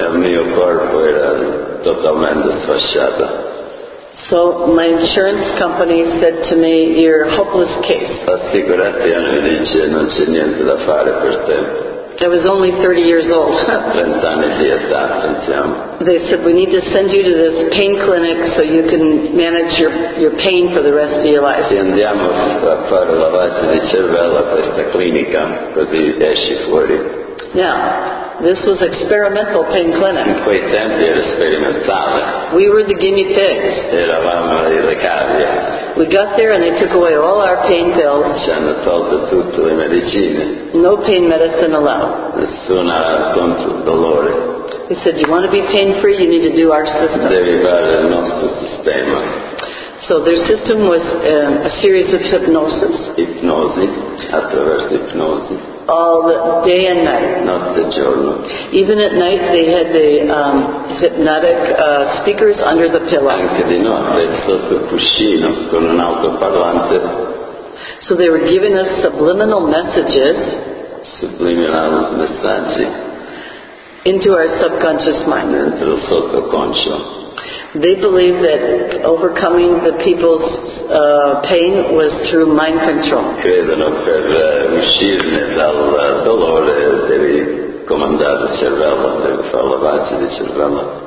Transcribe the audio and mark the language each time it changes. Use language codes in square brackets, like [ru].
[it] E il mio corpo era totalmente sfasciato. [en] So my insurance company said to me, "You're a hopeless case." [it] Assicurati mi dice non c'è niente da fare per te. [en] I was only 30 years old. [it] 30 anni di età, pensiamo. [en] They said, "We need to send you to this pain clinic so you can manage your pain for the rest of your life." [it] Sì, andiamo a fare lavaggio di cervello a questa clinica, così esci fuori. [en] Now, this was experimental pain clinic. [it] In quei tempi era sperimentale. [en] We were the guinea pigs. [it] Eravamo le cavie. [en] We got there and they took away all our pain pills. [it] Ci hanno tolto tutte le medicine. [en] No pain medicine allowed. [it] Nessuna contro dolore. [en] He said, "You want to be pain free, you need to do our system." [it] Devi fare il nostro sistema. [en] So their system was a series of hypnosis. [it] Ipnosi, attraverso ipnosi. [en] All the day and night. [it] Not the giorno. [en] Even at night they had the hypnotic speakers under the pillow. [it] Anche di notte sotto il cuscino con un altoparlante. [en] So they were giving us subliminal messages. [it] Subliminal messaggi. [en] Into our subconscious mind. [it] Dentro il sottoconscio. [en] They believed that overcoming the people's pain was through mind control. [it] Credono per uscirne dal dolore devi comandare il cervello, devi fare la pace di cervello.